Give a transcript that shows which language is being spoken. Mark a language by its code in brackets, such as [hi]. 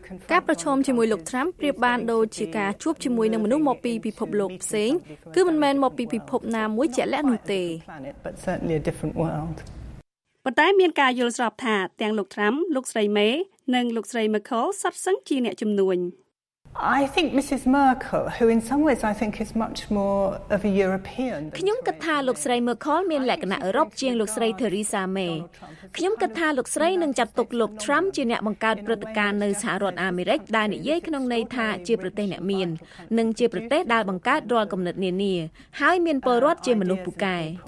[km] ការប្រជុំជាមួយលោកត្រាំប្រៀបបានដូចជាការជួបជាមួយនឹងមនុស្សមកពីពិភពលោកផ្សេងគឺមិនមែនមកពីពិភពណាមួយជាក់លាក់នោះទេប៉ុន្តែមានការយល់ស្របថាទាំងលោកត្រាំលោកស្រីមេនិងលោកស្រីមាខលសុទ្ធសឹងជាអ្នកជំនួញ [en] I think Mrs. Merkel, who in some ways I think is much more of a European. [km] ខ្ញុំគិតថាលោកស្រី Merkel មានលក្ខណៈអឺរ៉ុបជាងលោកស្រី Theresa May. ខ្ញុំគិតថាលោកស្រីនឹងចាត់ទុកលោក Trump ជាអ្នកបង្កើតព្រឹត្តិការណ៍នៅសហរដ្ឋអាមេរិកដែលនិយាយក្នុងន័យថាជាប្រទេសអ្នកមាននិងជាប្រទេសដែលបង្កើតរាល់គំនិតនានាហើយមានពលរដ្ឋជាមនុស្សពូកែ